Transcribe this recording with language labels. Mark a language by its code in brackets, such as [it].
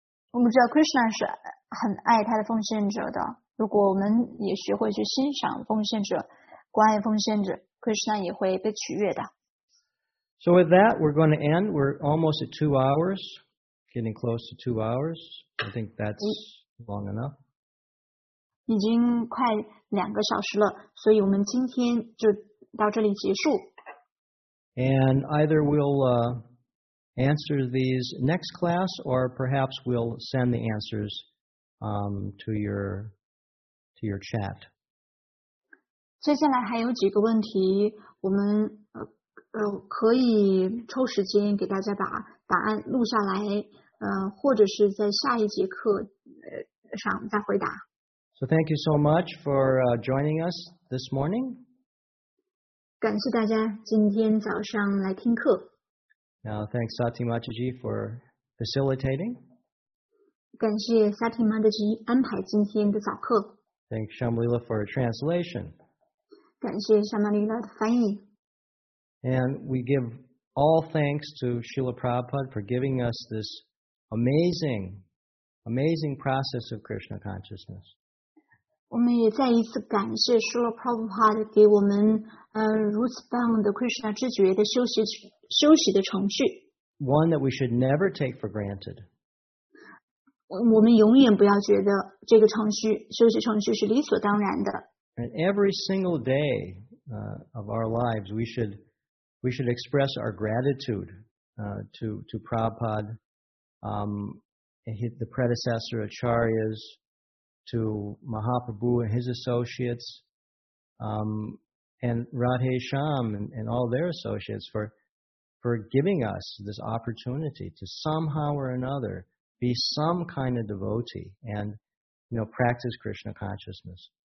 [zh] 我们知道 Krishna 是很爱他的奉献者的，如果我们也学会去欣赏奉献者，关爱奉献者， Krishna 也会被取悦的。 [en] So with that, we're going to end. We're almost at 2 hours, getting close to 2 hours. I think that's long enough. [zh] 已经快两个小时了，所以我们今天就到这里结束。 [en] And either we'll answer these next class, or perhaps we'll send the answers to your chat. [zh] 接下来还有几个问题，我们可以抽时间给大家把答案录下来，或者是在下一节课上再回答。 [en] So thank you so much for joining us this morning. [zh] 感谢大家今天早上来听课。 [en] Now thanks Satyamachiji for facilitating. [zh] 感谢夏婷妈的指引安排今天的早课。 [en] Thank Shyamalila for her translation. [zh] 感谢 Shyamalila 的翻译。 [en] And we give all thanks to Srila Prabhupada for giving us this amazing, amazing process of Krishna consciousness. [zh] 我们也再一次感谢 Srila Prabhupada 给我们如此棒的 Krishna 知觉的休息的程序。 [en] One that we should never take for granted. [zh] 我们永远不要觉得这个程序休息程序是理所当然的。 [en] And every single day of our lives, we should express our gratitude to Prabhupada, the predecessor Acharyas, to Mahaprabhu and his associates, and Radhe Shyam and all their associates for giving us this opportunity to somehow or another be some kind of devotee and, you know, practice Krishna consciousness.